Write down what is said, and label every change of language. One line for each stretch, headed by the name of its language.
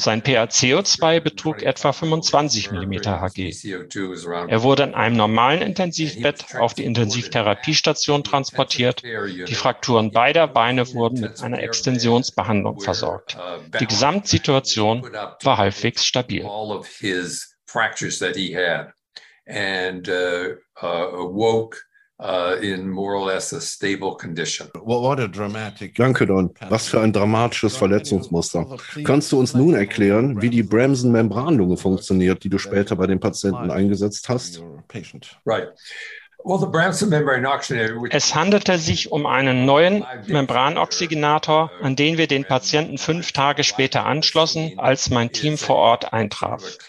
German: Sein PaCO2 betrug etwa 25 mm Hg. Er wurde in einem normalen Intensivbett auf die Intensivtherapiestation transportiert. Die Frakturen beider Beine wurden mit einer Extensionsbehandlung versorgt. Die Gesamtsituation war halbwegs stabil.
English: All of his fractures that he had and awoke in more or less a stable condition.
German: Danke, Don. Was für ein dramatisches Verletzungsmuster. Kannst du uns nun erklären, wie die Bremsen-Membranlunge funktioniert, die du später bei den Patienten eingesetzt hast?
English: Right. Well, the Bremsen membrane oxygenator.
German: Es handelte sich um einen neuen Membranoxygenator, an den wir den Patienten 5 Tage später anschlossen, als mein Team vor Ort eintraf.